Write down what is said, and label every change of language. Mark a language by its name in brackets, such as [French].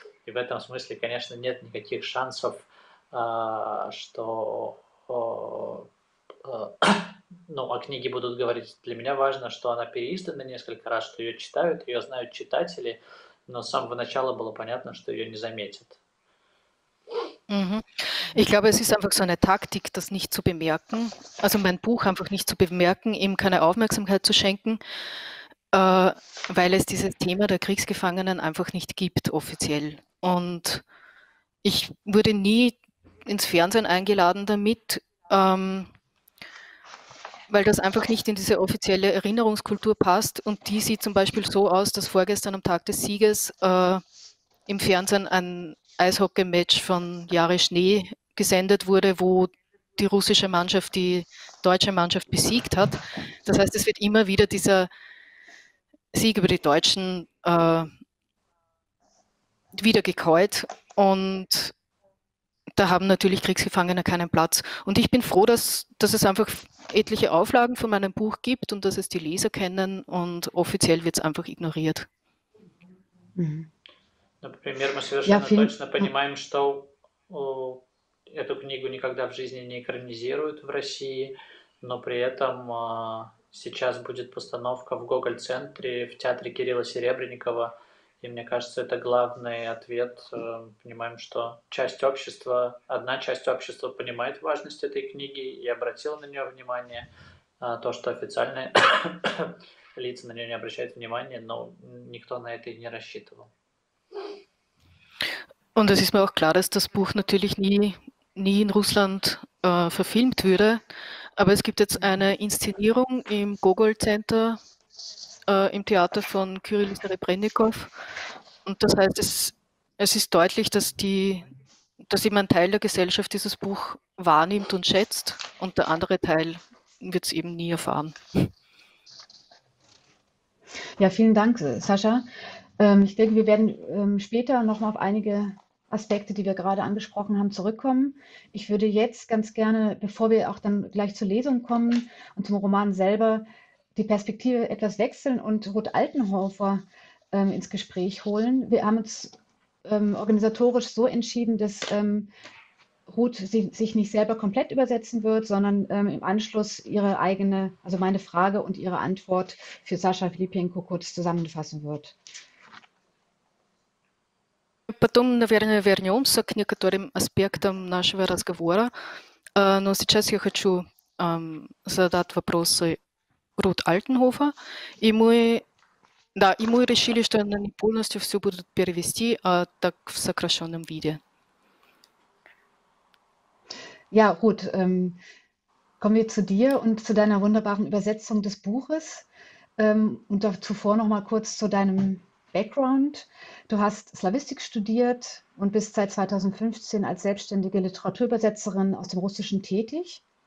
[Russian] И в этом смысле, конечно, нет никаких шансов, что ну, о книге будут говорить. Для меня важно, что она переиздана несколько раз, что ее читают, ее знают читатели, но с самого начала было понятно, что ее не заметят. [German] Ich glaube, es ist einfach so eine Taktik, das nicht zu bemerken, also mein Buch einfach nicht zu bemerken, ihm keine Aufmerksamkeit zu schenken, weil es dieses Thema der Kriegsgefangenen einfach nicht gibt, offiziell. Und ich wurde nie ins Fernsehen eingeladen damit, weil das einfach nicht in diese offizielle Erinnerungskultur passt. Und die sieht zum Beispiel so aus, dass vorgestern am Tag des Sieges im Fernsehen ein Eishockey-Match von Jari Schnee gesendet wurde, wo die russische Mannschaft die deutsche Mannschaft besiegt hat. Das heißt, es wird immer wieder dieser Sieg über die Deutschen wieder gekäut. Und da haben natürlich Kriegsgefangene keinen Platz. Und ich bin froh, dass es einfach etliche Auflagen von meinem Buch gibt und dass es die Leser kennen und offiziell wird es einfach ignoriert. [Russian] Например, мы совершенно [German] vielen [Russian] точно понимаем, что эту книгу никогда в жизни не экранизируют в России, но при этом сейчас будет постановка в Гоголь-центре, в театре Кирилла Серебренникова, и мне кажется, это главный ответ. Понимаем, что часть общества, одна часть общества понимает важность этой книги и обратила на нее внимание. То, что официальные лица на нее не обращают внимания, но никто на это и не рассчитывал. [German] Und es ist mir auch klar, dass das Buch natürlich nie in Russland verfilmt würde. Aber es gibt jetzt eine Inszenierung im Gogol Center, im Theater von Kirill Serebrennikov. Und das heißt, es ist deutlich, dass eben ein Teil der Gesellschaft dieses Buch wahrnimmt und schätzt. Und der andere Teil wird es eben nie erfahren. Ja, vielen Dank, Sascha. Ich denke, wir werden später noch mal auf einige Aspekte, die wir gerade angesprochen haben, zurückkommen. Ich würde jetzt ganz gerne, bevor wir auch dann gleich zur Lesung kommen und zum Roman selber, die Perspektive etwas wechseln und Ruth Altenhofer ins Gespräch holen. Wir haben uns organisatorisch so entschieden, dass Ruth sich nicht selber komplett übersetzen wird, sondern im Anschluss ihre eigene, also meine Frage und ihre Antwort für Sascha Filipienko kurz zusammenfassen wird. [Russian] Потом, наверное, вернемся к некоторым аспектам нашего разговора. Но сейчас я хочу задать вопросы Рут Альтенхофер. И мы решили, что она не полностью все будет перевести, а так в сокращенном виде. [German] Ja, Ruth, kommen wir zu dir und zu deiner wunderbaren Übersetzung des Buches. Und zuvor noch mal kurz zu deinem Background. Du hast Slawistik studiert und bist seit 2015 als selbstständige Literaturübersetzerin aus dem Russischen tätig.